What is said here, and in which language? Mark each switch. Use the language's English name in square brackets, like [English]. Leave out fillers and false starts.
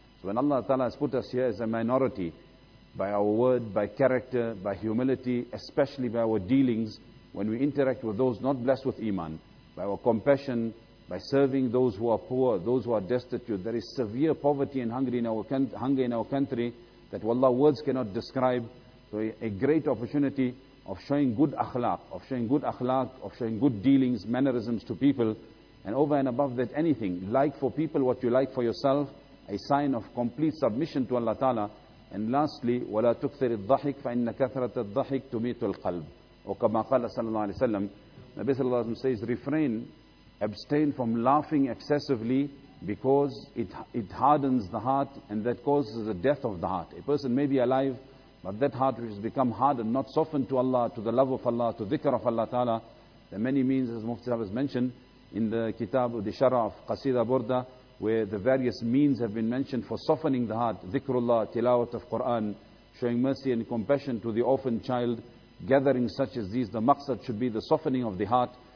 [English] So when Allah Ta'ala has put us here as a minority, by our word, by character, by humility, especially by our dealings, when we interact with those not blessed with iman, by our compassion, by serving those who are poor, those who are destitute, there is severe poverty and hunger in our country that wallah words cannot describe. So a great opportunity of showing good akhlaq, of showing good dealings, mannerisms to people. And over and above that, anything, like for people what you like for yourself, a sign of complete submission to Allah Ta'ala. And lastly, [Arabic] وَلَا تُكْثِرِ الضَّحِكِ فَإِنَّ كَثْرَةَ الضَّحِكِ تُمِيتُ الْقَلْبِ. Or كَمَا قَالَ صَلَى اللَّهُ عَلَيْهِ وَسَلَّمْ. [English] Nabi Sallallahu Alaihi Wasallam says, refrain, abstain from laughing excessively, because it hardens the heart and that causes the death of the heart. A person may be alive, but that heart which has become hardened, not softened to Allah, to the love of Allah, to dhikr of Allah Ta'ala, there are many means, as Mufti Sahib has mentioned in the Kitab of the Sharah of Qasida Burda, where the various means have been mentioned for softening the heart: dhikrullah, tilawat of Quran, showing mercy and compassion to the orphan child, gathering such as these. The maqsad should be the softening of the heart.